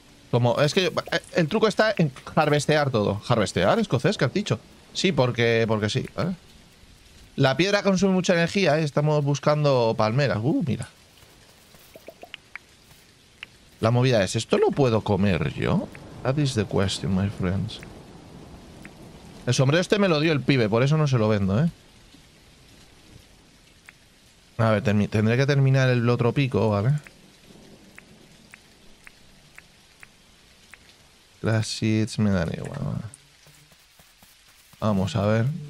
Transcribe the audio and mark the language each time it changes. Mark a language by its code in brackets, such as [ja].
[es] Como... Es que... El truco está en harvestear todo. ¿Harvestear? ¿Escocés? ¿Qué has dicho? Sí, porque... Porque sí. ¿Vale? La piedra consume mucha energía, ¿eh? Estamos buscando palmeras. Mira. La movida es, ¿esto lo puedo comer yo? [en] That is the question, my friends. [es] El sombrero este me lo dio el pibe, por eso no se lo vendo, ¿eh? A ver, tendré que terminar el otro pico, ¿vale? Grassits me dan igual, ¿vale? Vamos a ver.